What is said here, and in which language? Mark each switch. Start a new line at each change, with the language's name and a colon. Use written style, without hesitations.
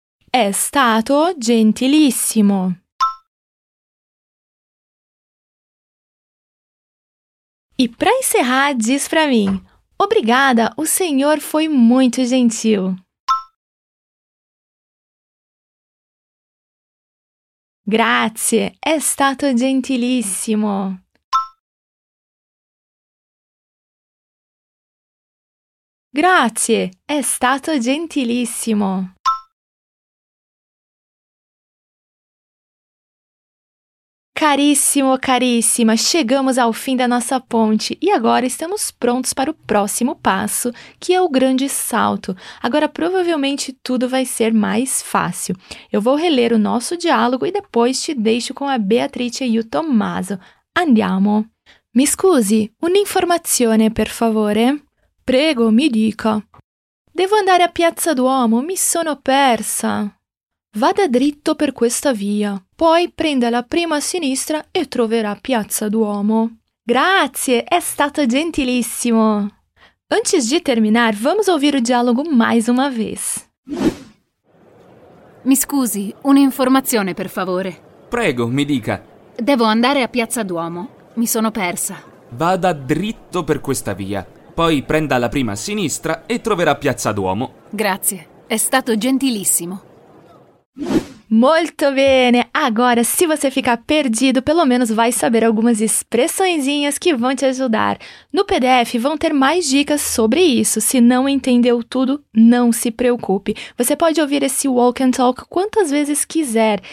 Italian: È stato gentilissimo.
Portuguese: E para encerrar, diz para mim: obrigada, o senhor foi muito gentil.
Italian: Grazie, è stato gentilissimo. Grazie, è stato gentilissimo.
Portuguese: Caríssimo, caríssima, chegamos ao fim da nossa ponte e agora estamos prontos para o próximo passo, que é o grande salto. Agora, provavelmente, tudo vai ser mais fácil. Eu vou reler o nosso diálogo e depois te deixo com a Beatrice e o Tommaso.
Italian: Andiamo! Mi scusi, un'informazione, per favore. Prego, mi dica. Devo andare a Piazza Duomo, mi sono persa. Vada dritto per questa via, poi prenda la prima a sinistra e troverà Piazza Duomo. Grazie, è stato gentilissimo.
Portuguese: Antes de terminar, vamos ouvir o dialogo mais uma vez.
Italian: Mi scusi, un'informazione per favore. Prego, mi dica. Devo andare a Piazza Duomo, mi sono persa. Vada dritto per questa via, poi prenda la prima a sinistra e troverà Piazza Duomo. Grazie, è stato gentilissimo. Molto bene!
Portuguese: Agora, se você ficar perdido, pelo menos vai saber algumas expressõezinhas que vão te ajudar. No PDF vão ter mais dicas sobre isso. Se não entendeu tudo, não se preocupe. Você pode ouvir esse Walk and Talk quantas vezes quiser.